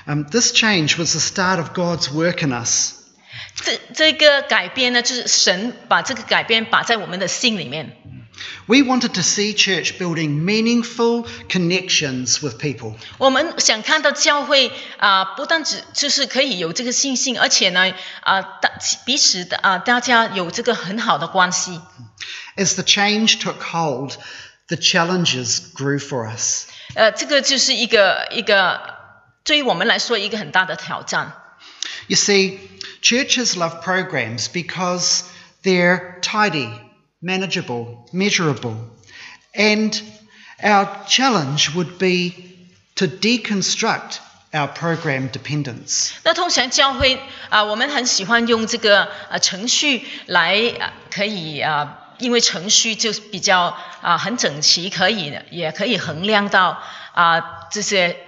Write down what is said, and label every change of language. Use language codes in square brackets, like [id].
[en] This change was the start of God's work in us. [zh] 这个改变呢，就是神把这个改变摆在我们的心里面。 [en] We wanted to see church building meaningful connections with people. [zh] 我们想看到教会不但只就是可以有这个信心，而且呢彼此的大家有这个很好的关系。 [en] As the change took hold, the challenges grew for us. [zh] 这个就是一个。对于我们来说，一个很大的挑战。 [en] You see, churches love programs because they're tidy, manageable, measurable, and our challenge would be to deconstruct our program dependence. [zh] 那通常教会我们很喜欢用这个程序来可以因为程序就比较很整齐，可以也可以衡量到这些。